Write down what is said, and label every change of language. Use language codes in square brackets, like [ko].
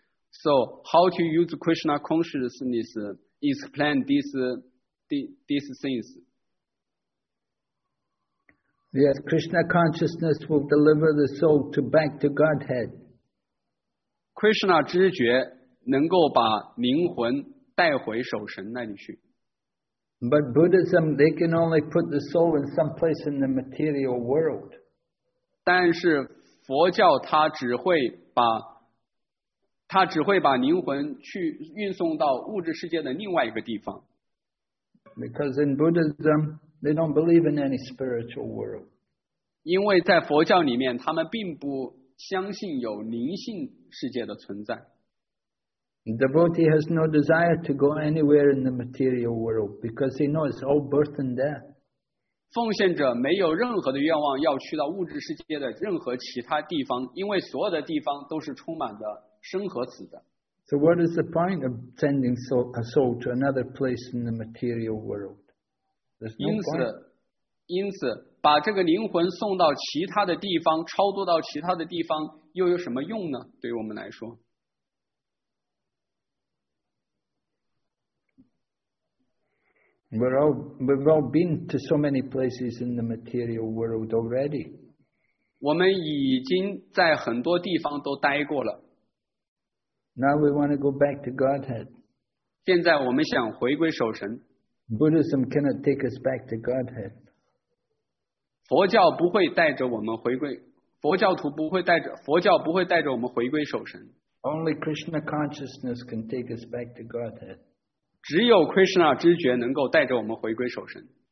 [en] So how to use Krishna consciousness, explain these things? Yes, Krishna consciousness will deliver the soul to back to Godhead. [zh] Krishna 知觉能够把灵魂带回守神那里去。 [en] But Buddhism, they can only put the soul in some place in the material world. [zh] 但是佛教它只会把他只会把灵魂去运送到物质世界的另外一个地方。 [en] Because in Buddhism, they don't believe in any spiritual world. [zh] 因为在佛教里面，他们并不相信有灵性世界的存在。 [en] The devotee has no desire to go anywhere in the material world because he knows it's all birth and death. [zh] 奉献者没有任何的愿望要去到物质世界的任何其他地方，因为所有的地方都是充满着生和死的。 [en] So what is the point of sending a soul to another place in the material world? There's no point. [zh] 因此，把这个灵魂送到其他的地方，超度到其他的地方，又有什么用呢？对于我们来说。 [en] We've all been to so many places in the material world already. [zh] 我们已经在很多地方都待过了。 [en] Now we want to go back to Godhead. [zh] 现在我们想回归守神。 [en] Buddhism cannot take us back to Godhead. [zh] 佛教不会带着我们回归，佛教徒不会带着，佛教不会带着我们回归守神。 [en] Only Krishna consciousness can take us back to Godhead. [zh] 只有 Krishna 知觉能够带着我们回归守神。